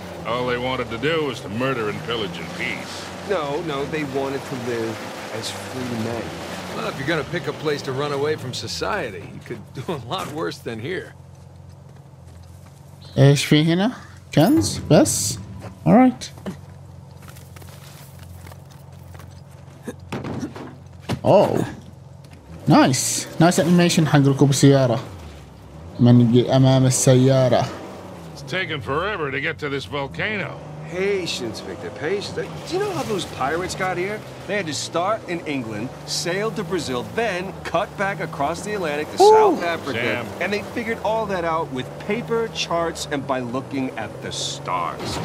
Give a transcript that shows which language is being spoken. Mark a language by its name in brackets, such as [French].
[English] All they wanted to do was to murder and pillage in peace. No, no, they wanted to live as free men. Well, if you're gonna pick a place to run away from society, you could do a lot worse than here. [Arabic] ايش في هنا؟ كنز؟ بس؟ [English] All right. Oh. [Arabic] نايس نايس انيميشن حق ركوب السيارة من امام السيارة. [English] It's taking forever to get to this volcano. Patience, Victor, patience. Do you know how those pirates got here? They had to start in England, sail to Brazil, then cut back across the Atlantic to South Africa. Damn. And they figured all that out with paper, charts, and by looking at the stars.